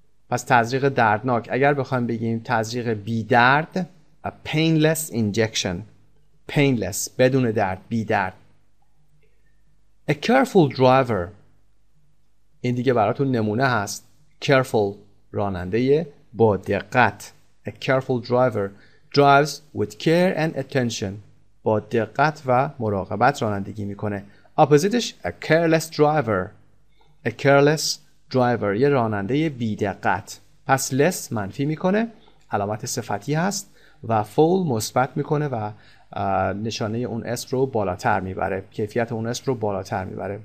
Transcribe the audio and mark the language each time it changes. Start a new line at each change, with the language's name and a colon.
Persian: پس تزریق دردناک، اگر بخوایم بگیم تزریق بی درد،
English: a painless injection.
Persian: painless بدون درد، بی درد.
English: a careful driver.
Persian: این دیگه براتون نمونه هست. careful راننده با دقت.
English: a careful driver drives with care and attention.
Persian: با دقت و مراقبت رانندگی میکنه.
English: اپوزیتش a careless driver. a careless driver
Persian: یه راننده بی دقت. پس less منفی میکنه، علامت صفتی هست، و full مثبت میکنه و نشانه اون اسم رو بالاتر میبره، کیفیت اون اسم رو بالاتر میبره.